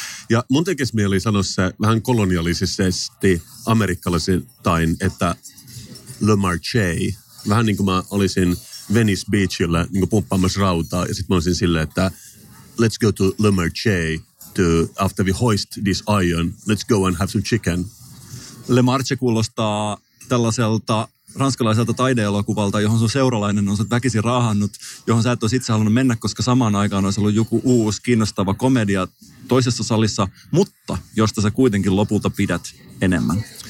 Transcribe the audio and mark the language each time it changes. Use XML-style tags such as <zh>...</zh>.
<fi>Ja mun tekisi mieli sanoa se vähän kolonialisesti amerikkalaisittain, että Le Marge. Vähän niin kuin mä olisin Venice Beachillä niin kuin pumppaamassa rautaa, ja sitten mä olisin silleen, että</fi> <en>let's go to Le Marge. After we hoist this iron, let's go and have some chicken.</en> <fi>Le Marche kuulostaa tällaiselta ranskalaiselta taideelokuvalta, johon sun seuralainen on sä väkisin raahannut, johon sä et olisi itse halunnut mennä, koska samaan aikaan olisi ollut joku uusi kiinnostava komedia toisessa salissa, mutta josta sä kuitenkin lopulta pidät enemmän.</fi>